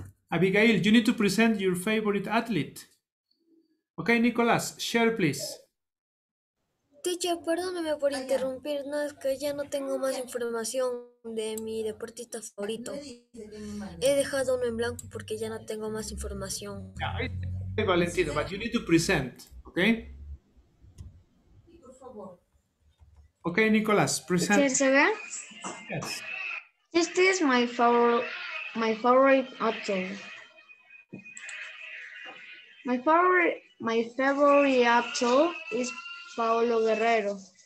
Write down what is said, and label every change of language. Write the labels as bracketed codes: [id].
[en] Abigail, you need to present your favorite athlete. Okay, Nicolás, share please. [es] Teacher, perdóname por interrumpir, no es que ya no tengo más información de mi deportista favorito. He dejado uno en blanco porque ya no tengo más información. [en] Yeah, Valentino, but you need to present, okay? Okay, Nicolás, present. Yes. This is my favorite athlete is Paolo Guerrero.